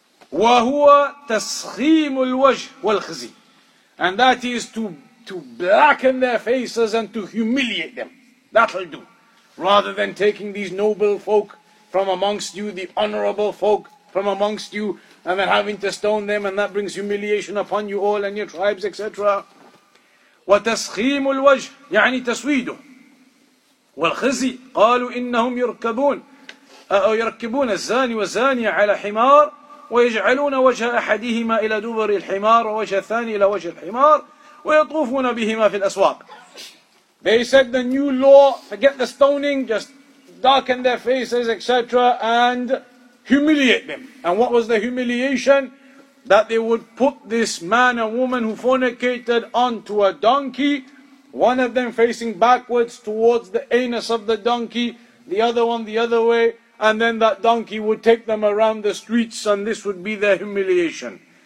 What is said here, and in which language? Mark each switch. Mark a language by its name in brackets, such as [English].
[Arabic] وَهُوَ تَسْخِيمُ الْوَجْهِ وَالْخِزِي [English] And that is to blacken their faces and to humiliate them. That'll do. Rather than taking these noble folk from amongst you, the honorable folk from amongst you, and then having to stone them, and that brings humiliation upon you all and your tribes, etc. [Arabic] وَتَسْخِيمُ الْوَجْهِ يَعْنِي تَسْوِيدُ وَالْخِزِي قَالُوا إِنَّهُمْ يَرْكَبُونَ أَوْ يَرْكِبُونَ الزَّانِي وَالزَّانِيَ عَلَى حِمَارٍ ويجعلون وجه أحدهما إلى دبر الحمار ووجه الثاني إلى وجه الحمار ويطوفون بهما في الأسواق [English] They said the new law, forget the stoning, just darken their faces, etc. and humiliate them. And what was the humiliation? That they would put this man and woman who fornicated onto a donkey, one of them facing backwards towards the anus of the donkey, the other one the other way, And then that donkey would take them around the streets and this would be their humiliation.